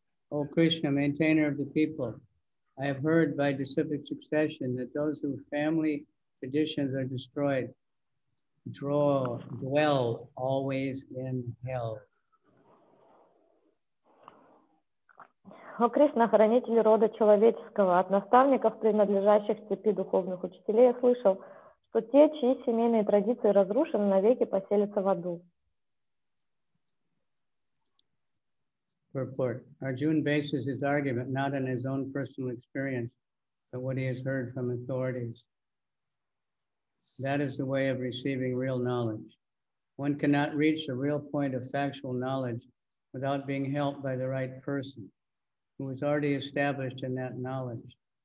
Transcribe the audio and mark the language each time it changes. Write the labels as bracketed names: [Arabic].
[English] O Krishna, maintainer of the people, I have heard by disciplic succession that those whose family traditions are destroyed dwell always in hell. [Russian] О Кришна, хранитель рода человеческого, от наставников, принадлежащих цепи духовных учителей, я слышал, что те, чьи семейные традиции разрушены, навеки поселятся в аду. [English] Purport. Arjun bases his argument not on his own personal experience, but what he has heard from authorities. That is the way of receiving real knowledge. One cannot reach a real point of factual knowledge without being helped by the right person, who is already established in that knowledge.